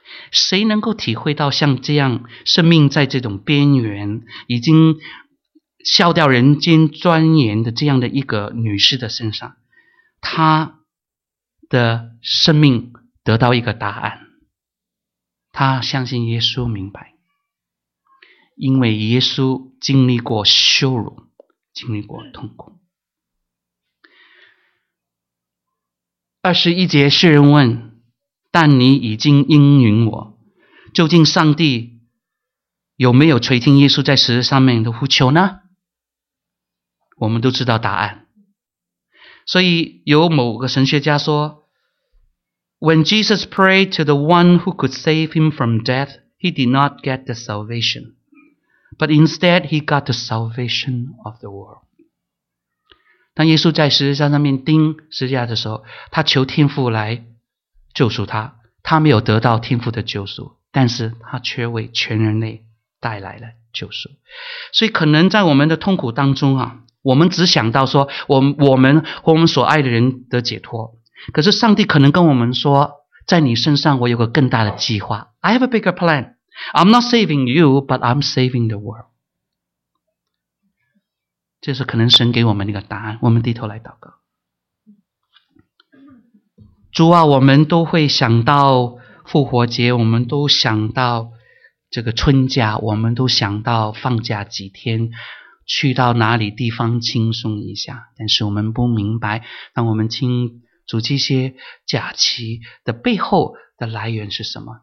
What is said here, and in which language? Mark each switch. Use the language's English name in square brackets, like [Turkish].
[Chinese] 谁能够体会到像这样生命在这种边缘已经笑掉人间尊严的这样的一个女士的身上，她的生命得到一个答案，她相信耶稣明白，因为耶稣经历过羞辱，经历过痛苦。二十一节，世人问，但你已经应允我，究竟上帝有没有垂听耶稣在十字上面的呼求呢？我们都知道答案。所以有某个神学家说， [English] When Jesus prayed to the one who could save him from death, he did not get the salvation, but instead he got the salvation of the world. [Chinese] 当耶稣在十字架上面钉十字架的时候，他求天父来救赎他，他没有得到天父的救赎，但是他却为全人类带来了救赎。所以可能在我们的痛苦当中啊，我们只想到说我们和我们所爱的人得解脱，可是上帝可能跟我们说，在你身上我有个更大的计划。 [English] I have a bigger plan. I'm not saving you, but I'm saving the world. [Chinese] 这是可能神给我们一个答案。我们低头来祷告。主啊，我们都会想到复活节，我们都想到这个春假，我们都想到放假几天，去到哪里地方轻松一下，但是我们不明白，当我们清楚这些假期的背后的来源是什么。